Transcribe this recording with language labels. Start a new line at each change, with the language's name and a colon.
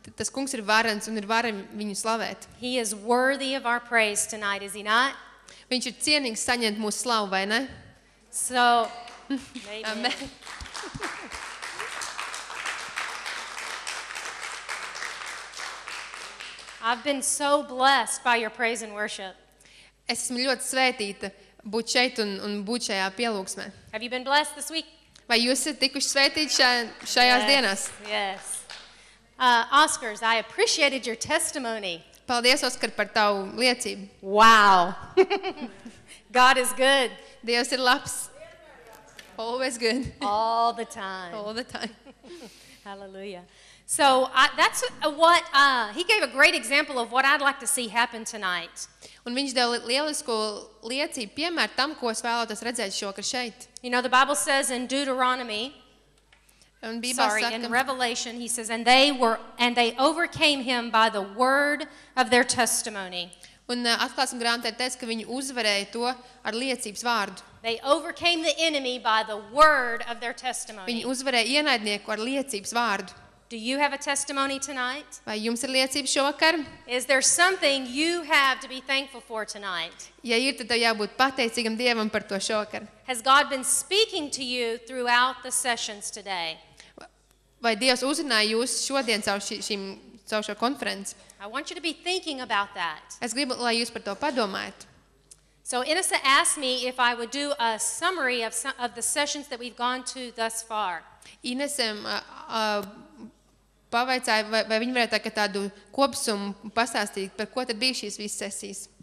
Latvian: tas kungs ir varens un ir varen viņu slavēt.
English: He is worthy of our praise tonight, is he not?
Latvian: Viņš ir cienīgs saņemt mūsu slavu, vai ne?
English: So, maybe. Amen. I've been so blessed by your praise and worship.
Latvian: Es esmu ļoti svētīta būt šeit un, un būt šajā pielūgsmē.
English: Have you been blessed this week?
Latvian: Vai jūs esat tikuši svētīti šajās
English: yes,
Latvian: dienās?
English: Yes. Oscars, I appreciated your testimony.
Latvian: Paldies, Oskar, par tavu liecību.
English: Wow. God is good.
Latvian: Dievs ir labs.
English: Always good. All the time. All the time. Hallelujah. So that's what he gave a great example of what I'd like to see happen tonight.
Latvian: Un viņš deva lielisku liecību piemēru tam, ko es vēlētos redzēt šovakar šeit.
English: You know, the Bible says in Deuteronomy, in Revelation, he says, and they were and they overcame him by the word of their testimony.
Latvian: Un atklāsim grāmatā teica, ka viņi uzvarēja to ar liecības vārdu.
English: They overcame the enemy by the word of their testimony.
Latvian: Viņi uzvarēja ienaidnieku ar liecības vārdu.
English: Do you have a testimony tonight?
Latvian: Vai jums ir liecība šovakar?
English: Is there something you have to be thankful for tonight?
Latvian: Ja ir, tad tev jābūt pateicīgam Dievam par to šovakar.
English: Has God been speaking to you throughout the sessions today?
Latvian: Vai Dievs uzrunāja jūs šodien caur šo konferenci?
English: I want you to be thinking about that.
Latvian: Es gribu, lai jūs par to padomājat.
English: So Inessa asked me if I would do a summary of some, of the sessions that we've gone to thus far.
Latvian: Inesem pavaicāja, vai viņi varētu tā, tādu kopsumu pastāstīt, par ko tad bija šīs visas sesijas.